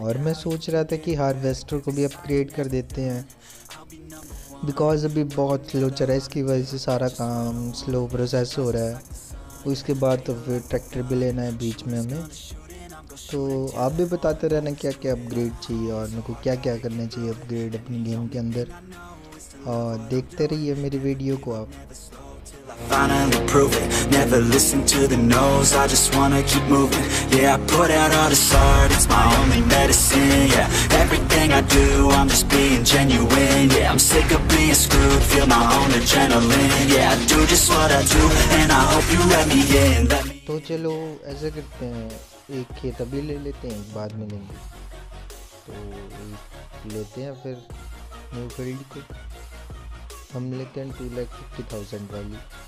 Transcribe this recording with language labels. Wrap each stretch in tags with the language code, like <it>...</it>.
<hi>और मैं सोच रहा था कि हार्वेस्टर को भी अपग्रेड कर देते हैं, बिकॉज अभी बहुत स्लो चल रहा है, इसकी वजह से सारा काम स्लो प्रोसेस हो रहा है। उसके बाद तो फिर ट्रैक्टर भी लेना है बीच में हमें। तो आप भी बताते रहना क्या क्या अपग्रेड चाहिए और मेरे को क्या क्या करना चाहिए अपग्रेड अपनी गेम के अंदर, और देखते रहिए मेरी वीडियो को आप।</hi> <en>Finally prove it, never listen to the no's, I just wanna keep moving. Yeah, I put out all this art, it's my only medicine. Yeah, everything I do, I'm just being genuine. Yeah, I'm sick of being screwed, feel my own adrenaline. Yeah, I do just what I do, and I hope you let me in.</en> <hi>तो चलो ऐसा करते हैं, एक खेत अभी ले लेते हैं, बाद में लेंगे। तो लेते हैं फिर न्यू फील्ड को हम, लेते हैं 2,50,000 वाली।</hi>